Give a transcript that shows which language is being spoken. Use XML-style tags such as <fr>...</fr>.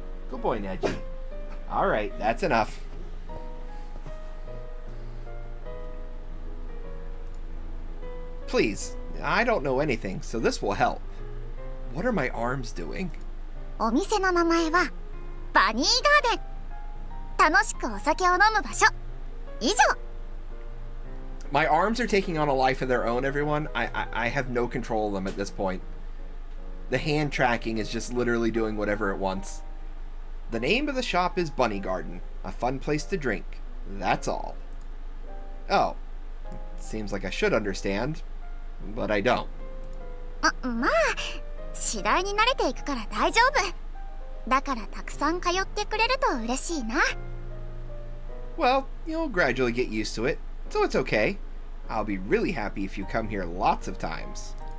<en>Good boy, Nedgy. All right, that's enough. Please, I don't know anything, so this will help. What are my arms doing?</en> <ja>お店の名前はバニーガーデン. 楽しくお酒を飲む場所. 以上.</ja> <en>My arms are taking on a life of their own, everyone. I have no control of them at this point. The hand tracking is just literally doing whatever it wants. The name of the shop is Bunny Garden, a fun place to drink. That's all. Oh, seems like I should understand, but I don't.</en> <ja>まあ、次第に慣れていくから大丈夫。だからたくさん通ってくれると嬉しいな。</ja> <en>Well, you'll gradually get used to it, so it's okay. I'll be really happy if you come here lots of times.</en>